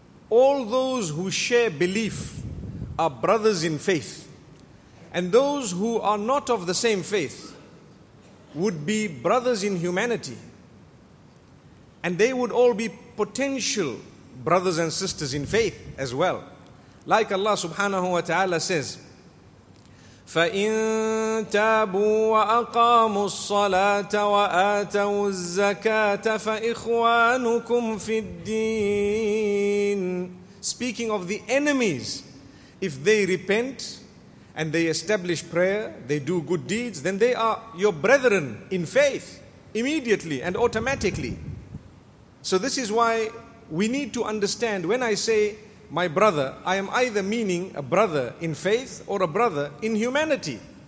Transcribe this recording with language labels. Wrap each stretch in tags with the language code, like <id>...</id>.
<en>All those who share belief are brothers in faith. And those who are not of the same faith would be brothers in humanity. And they would all be potential brothers and sisters in faith as well. Like Allah subhanahu wa ta'ala says,</en> <ar>فَإِن تَابُوا وَأَقَامُوا الصَّلَاةَ وَآتَوُوا الزَّكَاةَ فَإِخْوَانُكُمْ فِي الدِّينِ.</ar> <en>Speaking of the enemies, if they repent and they establish prayer, they do good deeds, then they are your brethren in faith immediately and automatically. So this is why we need to understand, when I say my brother, I am either meaning a brother in faith or a brother in humanity.</en>